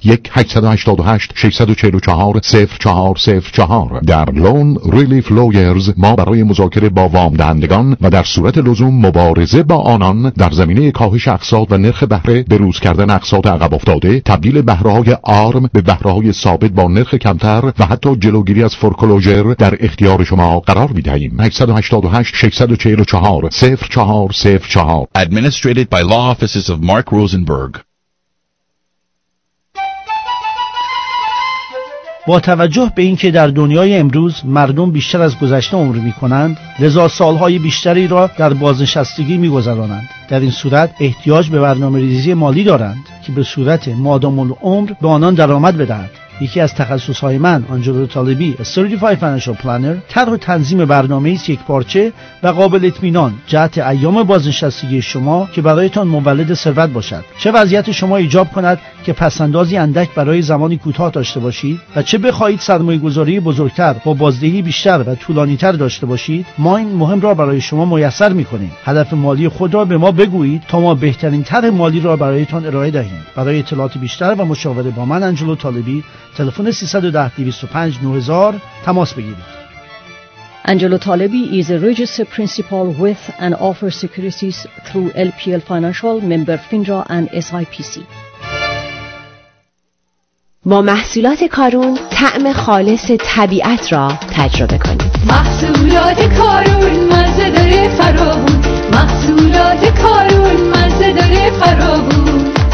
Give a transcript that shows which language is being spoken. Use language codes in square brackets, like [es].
[fa] 1-888-644-0404 در لون ریلیف لویرز ما برای مذاکره با وام دهندگان و در صورت لزوم مبارزه با آنان در زمینه کاهش اقساط و نرخ بهره، بروز کردن اقساط عقب افتاده، تبدیل بهره های آرم به بهره های ثابت با نرخ کمتر و حتی جلوگیری از فورکلوژر در اختیار شما قرار می دهیم. [en] 888-644-0404 administered by law offices of Mark Rosenberg. [fa] با توجه به اینکه در دنیای امروز مردم بیشتر از گذشته عمر می‌کنند، لذا سال‌های بیشتری را در بازنشستگی می‌گذرانند. در این صورت احتیاج به برنامه‌ریزی مالی دارند که به صورت مادام العمر به آنان درآمد بدهد. یکی از تخصص‌های من، آنجلو طالبی، [en] certified financial planner, [fa] طرح تنظیم برنامه‌ای است یکپارچه و قابل اطمینان جهت ایام بازنشستگی شما که برایتان مولد ثروت باشد. چه وضعیت شما ایجاب کند که پسندازی اندک برای زمانی کوتاه داشته باشید و چه بخواهید سرمایه‌گذاری بزرگتر با بازدهی بیشتر و طولانی‌تر داشته باشید، ما این مهم را برای شما میسر می‌کنیم. هدف مالی خود را به ما بگویید تا ما بهترین طرح مالی را برایتان ارائه دهیم. برای اطلاعات بیشتر و مشاوره با من آنجلو طالبی، تلفن 310-205-9000 تماس بگیرید. [en] Angelo Talebi is a registered principal with and offers securities through LPL Financial, member FINRA and SIPC. [fa] با محصولات کارون طعم خالص طبیعت را تجربه کنید. محصولات کارون مزه داره فراوون. محصولات کارون مزه داره فراوون.